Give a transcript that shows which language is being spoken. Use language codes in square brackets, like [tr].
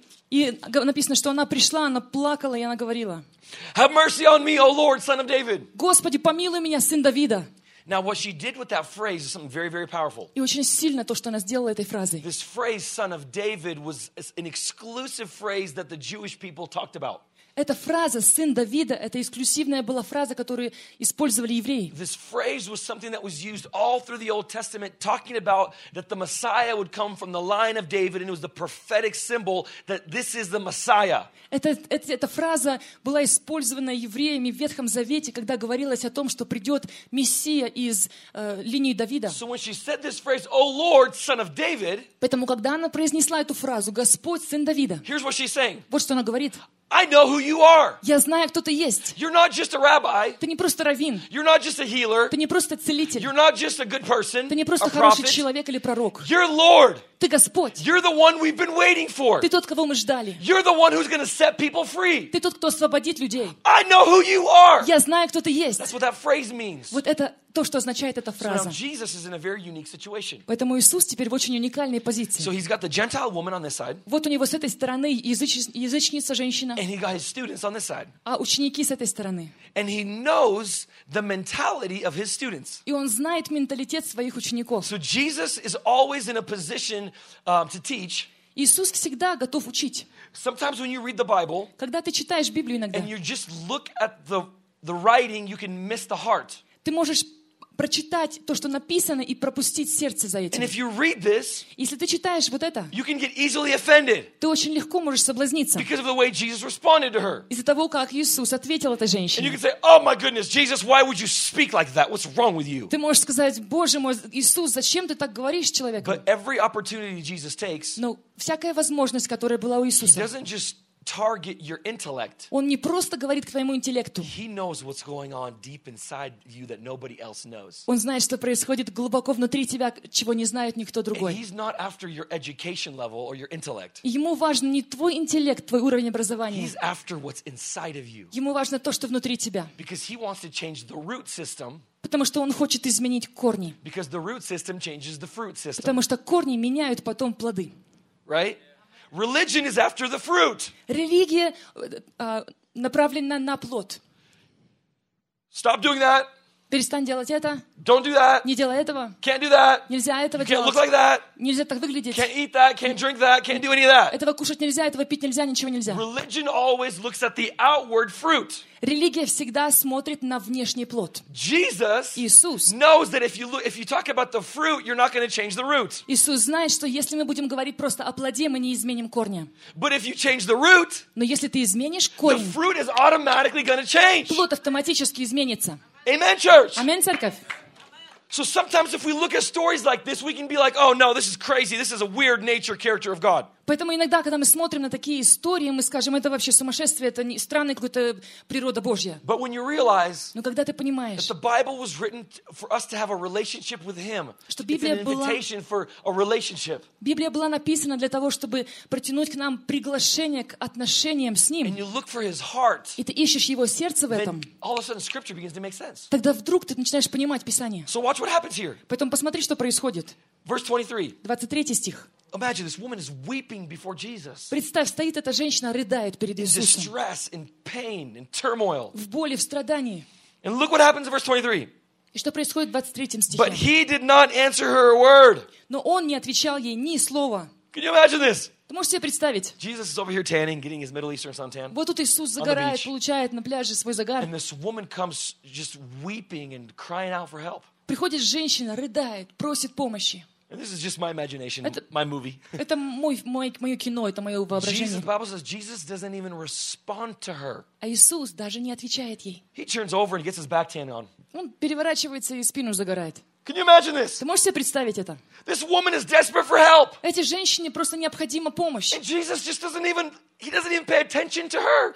[ru] И написано, что она пришла, она плакала, и она говорила: [en] Have mercy on me, O Lord, son of David. [ru] Господи, помилуй меня, сын Давида. [en] Now what she did with that phrase is something very, very powerful. [ru] И очень сильно то, что она сделала этой фразой. [en] This phrase, "son of David," was an exclusive phrase that the Jewish people talked about. [ru] Эта фраза "сын Давида" — это эксклюзивная была фраза, которую использовали евреи. [en] This phrase was something that was used all through the Old Testament, talking about that the Messiah would come from the line of David, and it was the prophetic symbol that this is the Messiah. [ru] Эта фраза была использована евреями в Ветхом Завете, когда говорилось о том, что придет Мессия из линии Давида. [en] So when she said this phrase, "O Lord, Son of David," [ru] поэтому когда она произнесла эту фразу, Господь, сын Давида, [en] here's what she's saying. [ru] Вот что она говорит. [en] I know who you are. [ru] Я знаю, кто ты есть. [en] You're not just a rabbi. [ru] Ты не просто раввин. [en] You're not just a healer. [ru] Ты не просто целитель. [en] You're not just a good person. [ru] Ты не просто хороший человек или пророк. [en] You're Lord. [ru] Ты Господь. [en] You're the one we've been waiting for. [ru] Ты тот, кого мы ждали. [en] You're the one who's going to set people free. [ru] Ты тот, кто освободит людей. [en] I know who you are. [ru] Я знаю, кто ты есть. [en] That's what that phrase means. [ru] Вот это то, что означает эта фраза. [en] So now Jesus is in a very unique situation. [ru] Поэтому Иисус теперь в очень уникальной позиции. [en] So he's got the Gentile woman on this side. [ru] Вот у него с этой стороны язычница, женщина. [en] And he got his students on this side. [ru] А ученики с этой стороны. [en] And he knows the mentality of his students. [ru] И он знает менталитет своих учеников. [en] So Jesus is always in a position to teach. [ru] Иисус всегда готов учить. [en] Sometimes when you read the Bible, [ru] когда ты читаешь Библию иногда, [en] and you just look at the writing, you can miss the heart. [ru] Ты можешь прочитать то, что написано, и пропустить сердце за этим. [en] And if you read this, [ru] если ты читаешь вот это, [en] you can get easily offended, [ru] ты очень легко можешь соблазниться [en] because of the way Jesus responded to her. [ru] Из-за того, как Иисус ответил этой женщине. [en] And you can say, "Oh my goodness, Jesus, why would you speak like that? What's wrong with you?" [ru] Ты можешь сказать: "Боже мой, Иисус, зачем ты так говоришь с человеком?" [en] But every opportunity Jesus takes, [ru] но всякая возможность, которая была у Иисуса, [en] He doesn't just target your intellect. [ru] Он не просто говорит к твоему интеллекту. [en] He knows what's going on deep inside you that nobody else knows. [ru] Он знает, что происходит глубоко внутри тебя, чего не знает никто другой. [en] He's not after your education level or your intellect. [ru] Ему важен не твой интеллект, твой уровень образования. [en] He's after what's inside of you. [ru] Ему важно то, что внутри тебя. [en] Because he wants to change the root system. [ru] Потому что он хочет изменить корни. [en] Because the root system changes the fruit system. [ru] Потому что корни меняют потом плоды. [en] Right? Religion is after the fruit. [ru] Религия направлена на плод. [en] Stop doing that. [ru] Перестань делать это. [en] Don't do that. [ru] Не делай этого. [en] Can't do that. [ru] Нельзя этого делать. [en] Can't look like that. [ru] Нельзя так выглядеть. [en] Can't eat that. Can't drink that. Can't do any of that. [ru] Этого кушать нельзя, этого пить нельзя, ничего нельзя. [en] Religion always looks at the outward fruit. [ru] Религия всегда смотрит на внешний плод. [en] Jesus [ru] Иисус [en] knows that if you talk about the fruit, you're not going to change the root. [ru] Иисус знает, что если мы будем говорить просто о плоде, мы не изменим корни. [en] But if you change the root, [ru] но если ты изменишь корень, [en] the fruit is automatically going to change. [ru] Плод автоматически изменится. [en] Amen, church. [ru] Amen, церковь. [en] So sometimes if we look at stories like this, we can be like, "Oh no, this is crazy. This is a weird nature character of God." [ru] Поэтому иногда, когда мы смотрим на такие истории, мы скажем: "Это вообще сумасшествие, это не странный какой-то природа Божья." [en] But when you realize, [ru] но когда ты понимаешь, [en] that the Bible was written for us to have a relationship with Him, [ru] что Библия [en] it's an invitation [ru] была [en] for a relationship. [ru] Библия была написана для того, чтобы протянуть к нам приглашение к отношениям с Ним. [en] And you look for His heart. [ru] И ты ищешь Его сердце в этом. [en] All of a sudden, Scripture begins to make sense. [ru] Тогда вдруг ты начинаешь понимать Писание. [en] So watch what happens here. [ru] Поэтому посмотри, что происходит. [en] Verse 23. [ru] 23 стих. [en] Imagine this woman is weeping before Jesus. [ru] Представь, стоит эта женщина, рыдает перед Иисусом. [en] In distress, in pain, in turmoil. [ru] В боли, в страдании. [en] And look what happens in verse 23. [ru] И что происходит в 23 стихе? [en] But he did not answer her a word. [ru] Но он не отвечал ей ни слова. [en] Can you imagine this? [ru] Ты можешь себе представить? [en] Jesus is over here tanning, getting his Middle Eastern suntan. [ru] Вот тут Иисус загорает, получает на пляже свой загар. [en] And this woman comes just weeping and crying out for help. [ru] Приходит женщина, рыдает, просит помощи. [en] And this is just my imagination, my movie. [ru] Это мое кино, это мое воображение. [en] Jesus, the Bible says Jesus doesn't even respond to her. [ru] А Иисус даже не отвечает ей. [en] He turns over and gets his back tan on. [ru] Он переворачивается и спину загорает. [en] Can you imagine this? [ru] Ты можешь себе представить это? [en] This woman is desperate for help. [ru] Эти женщине просто необходима помощь. [en] And Jesus just doesn't even pay attention to her.